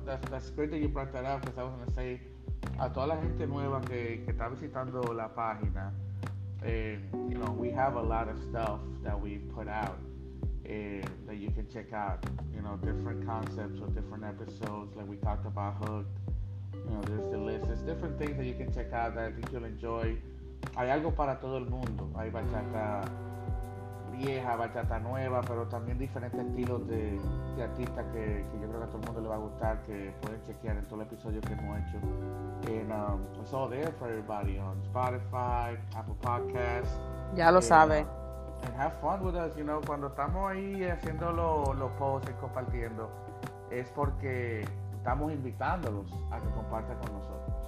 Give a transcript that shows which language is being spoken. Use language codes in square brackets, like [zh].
[en] That's great that you brought that up, because I was going to say, [es] a toda la gente nueva que está visitando la página, [en] you know, we have a lot of stuff that we put out that you can check out. You know, different concepts or different episodes, like we talked about Hooked. You know, there's the list. There's different things that you can check out that I think you'll enjoy. [es] Hay algo para todo el mundo. Hay bachata vieja, bachata nueva, pero también diferentes estilos de artistas que yo creo que a todo el mundo le va a gustar, que pueden chequear en todo el episodio que hemos hecho. [en] And it's all there for everybody on Spotify, Apple Podcasts. [es] Ya lo sabe. [en] And have fun with us, you know, [es] cuando estamos ahí haciendo los posts y compartiendo, es porque estamos invitándolos a que compartan con nosotros.